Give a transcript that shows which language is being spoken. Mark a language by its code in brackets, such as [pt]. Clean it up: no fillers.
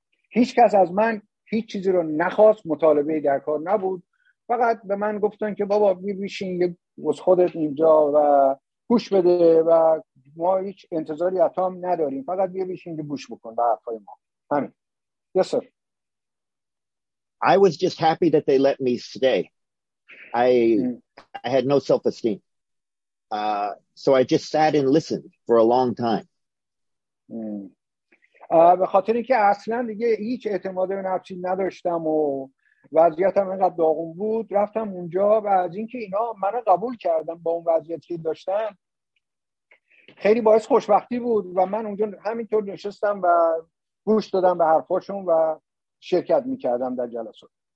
[fa] هیچ کس از من هیچ چیزی رو نخواست، مطالبه در کار نبود. فقط به من گفتن که بابا بیشین از خودت اینجا و گوش بده و ما هیچ انتظاری از تو هم نداریم. فقط بیشین که گوش بکن به حرفای ما. همین. [en] Yes, sir. I was just happy that they let me stay. I had no self-esteem. So I just sat and listened for a long time. [fa] به خاطر اینکه اصلا دیگه هیچ اعتماد به نفسی نداشتم و وضعیتم اینقدر داغون بود، رفتم اونجا و از اینکه اینا منو قبول کردن با اون وضعیتی که داشتم خیلی باعث خوشبختی بود و من اونجا همینطور نشستم و گوش دادم به حرفاشون و شرکت میکردم در جلسات.